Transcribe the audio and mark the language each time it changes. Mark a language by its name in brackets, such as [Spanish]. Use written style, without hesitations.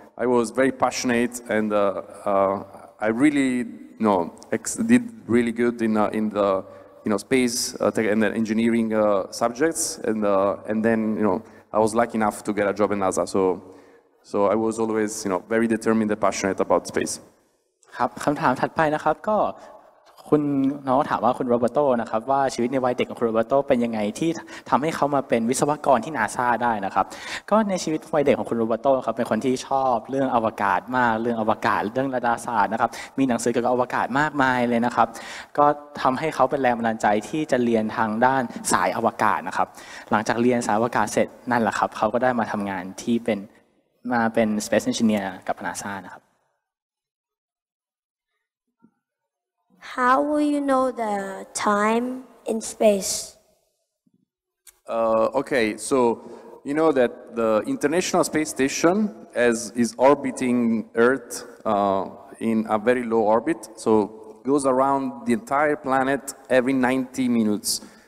[English] I was very passionate, and I really, you know, did really good in the, you know, space and engineering subjects, and then, you know, I was lucky enough to get a job in NASA. So I was always, you know, very determined and passionate about space. [Thai] ครับ คำถามถัดไปนะครับก็คุณน้องถามว่าคุณโรเบโต้นะครับว่าชีวิตในวัยเด็กของคุณโรเบโต้เป็นยังไงที่ทำให้เขามาเป็นวิศวกรที่ NASA ได้นะครับก็ในชีวิตวัยเด็กของคุณโรเบโต้ครับเป็นคนที่ชอบเรื่องอวกาศมากเรื่องอวกาศเรื่องดาราศาสตร์นะครับมีหนังสือเกี่ยวกับอวกาศมากมายเลยนะครับก็ทำให้เขาเป็นแรงบันดาลใจที่จะเรียนทางด้านสายอวกาศนะครับหลังจากเรียนสายอวกาศเสร็จนั่นแหละครับเขาก็ได้มาทำงานที่เป็นมาเป็น Space Engineer กับ NASA นะครับ [English] How will you know the time in space? Okay, so you know that the International Space Station is orbiting Earth in a very low orbit, so it goes around the entire planet every 90 minutes.